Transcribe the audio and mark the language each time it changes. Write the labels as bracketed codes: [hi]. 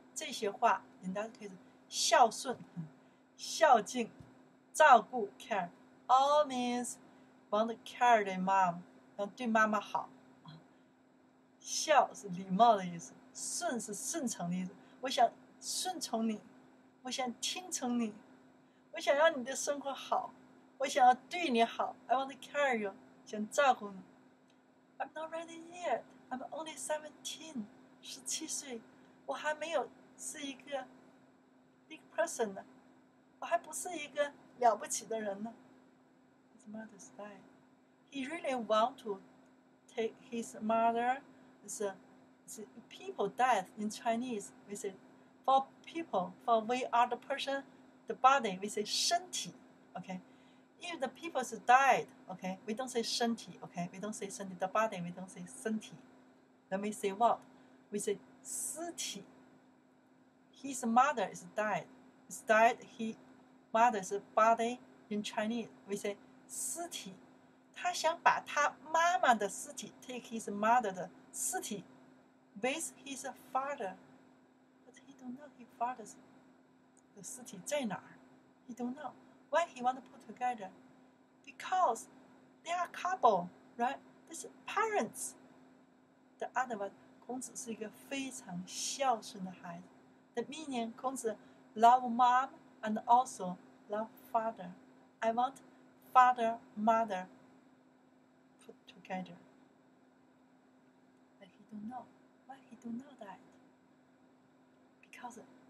[zh] 这些话人家可以说孝顺、孝敬、照顾 [en] care, all means want to care the mom, [zh] 要对妈妈好。孝是礼貌的意思，顺是顺从的意思，我想顺从你，我想听从你，我想让你的生活好，我想要对你好。 [en] I want to care you, [zh] 想照顾你。 [en] I'm not ready yet, I'm only 17, [zh] 17岁，我还没有是一个 [en] big person [zh] 呢，我还不是一个了不起的人呢。 [en] His mother died. He really want to take his mother. People death in Chinese, we say, for people, for we are the person,the body, we say 身体 okay? If the people is died, okay? We don't say 身体 okay? We don't say 身体 the body, we don't say 身体 Then we say what? We say 尸体 His mother is died. It's died, he, mother is body in Chinese. We say [zh] 尸体 他想把他妈妈的尸体 [en] take his mother [zh] 的尸体 [en] with his father. But he don't know his father's尸体 [zh] 在哪儿 [en] ？He don't know why he want to put together. Because they are couple, right? This parents. The other one, [zh] 孔子是一个非常孝顺的孩子。 [en] The meaning, 孔子 love mom and also love father. I want father, mother put together. But he don't know why he don't know that. Because.